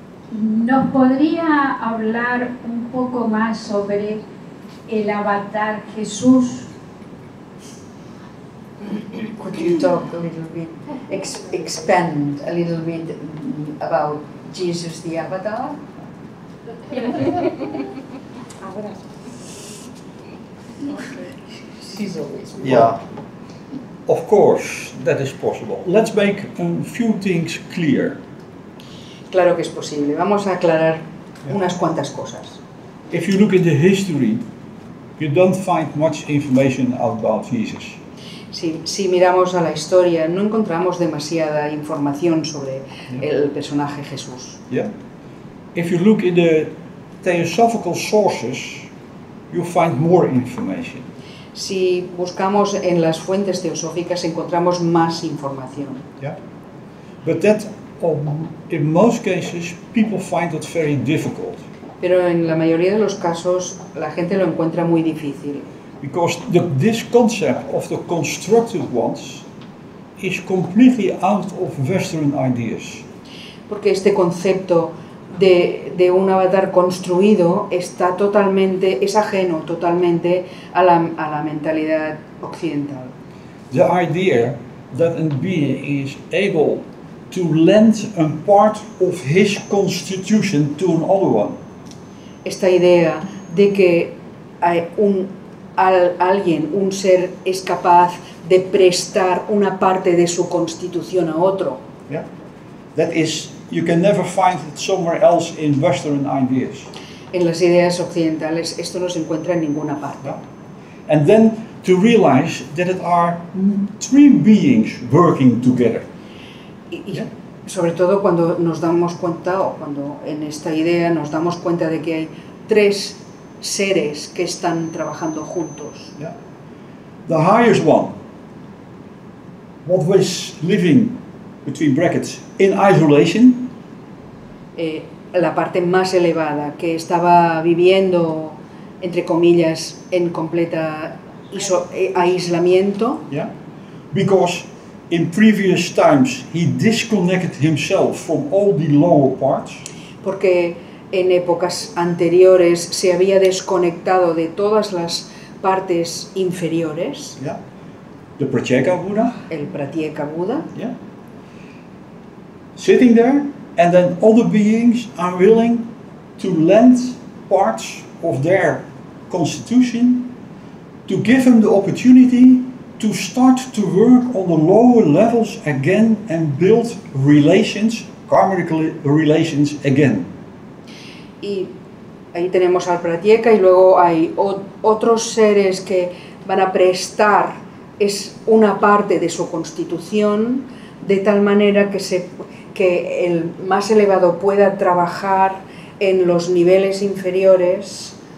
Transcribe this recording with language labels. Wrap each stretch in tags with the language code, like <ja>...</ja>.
<es>¿Nos podría hablar un poco más sobre el avatar Jesús?</es> <en>Could you talk a little bit, expand a little bit about Jesus the avatar?</en> <es>Ahora.</es> <en>She's always welcome. Yeah. Of course, that is possible. Let's make a few things clear.</en> <es>Claro que es posible. Vamos a aclarar unas cuantas cosas.</es> <en>If you look in the history, you don't find much information about Jesus.</en> <es>Si miramos a la historia, no encontramos demasiada información sobre el personaje Jesús.</es> <en>Yeah. If you look in the theosophical sources, you find more information.</en> <es>Si buscamos en las fuentes teosóficas, encontramos más información.</es> <en>Yeah. But that, in most cases, people find it very difficult.</en> <es>Pero en la mayoría de los casos, la gente lo encuentra muy difícil.</es> <en>Because this concept of the constructed ones is completely out of Western ideas.</en> <es>Porque este concepto de un avatar construido está totalmente, es ajeno totalmente a la mentalidad occidental.</es> <en>The idea that a being is able to lend a part of his constitution to another one.</en> <es>Esta idea de que alguien, un ser, es capaz de prestar una parte de su constitución a otro.</es> <en>Yeah. That is, you can never find it somewhere else in Western ideas.</en> <es>En las ideas occidentales esto no se encuentra en ninguna parte.</es> <en>Yeah. And then to realize that it are three beings working together.</en> <es>Y sobre todo cuando nos damos cuenta, o cuando en esta idea nos damos cuenta de que hay tres seres que están trabajando juntos.</es> <en>Yeah. The highest one, what was living, between brackets, in isolation.</en> <es>La parte más elevada, que estaba viviendo, entre comillas, en completa aislamiento.</es> <en>Yeah. Because in previous times he disconnected himself from all the lower parts.</en> <es>Porque en épocas anteriores se había desconectado de todas las partes inferiores.</es> <en>Yeah. The Pratyeka Buddha.</en> <es>El Pratyeka Buddha.</es> <en>Yeah. Sitting there, and then other beings are willing to lend parts of their constitution to give him the opportunity to start to work on the lower levels again and build relations, karmic relations again.</en> <es>Y ahí tenemos al Pratyeka y luego hay otros seres que van a prestar es una parte de su constitución de tal manera que se que el más elevado pueda trabajar en los niveles inferiores</es>